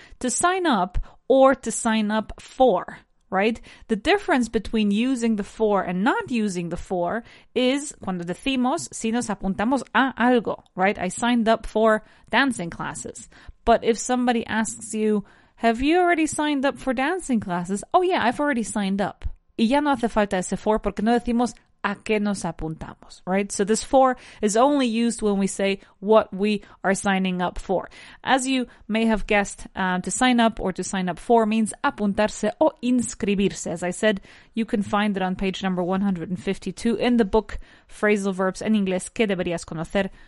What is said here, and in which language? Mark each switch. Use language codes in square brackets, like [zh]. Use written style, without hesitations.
[en] To sign up or to sign up for, right? The difference between using the for and not using the for is [es] cuando decimos, si nos apuntamos a algo, [en] right? I signed up for dancing classes. But if somebody asks you, have you already signed up for dancing classes? Oh yeah, I've already signed up. [es] Y ya no hace falta ese for porque no decimos a qué nos apuntamos, right? [en] So this for is only used when we say what we are signing up for. As you may have guessed, to sign up or to sign up for means [es] apuntarse o inscribirse. [en] As I said, you can find it on page number 152 in the book Phrasal Verbs in English, ¿Qué deberías conocer?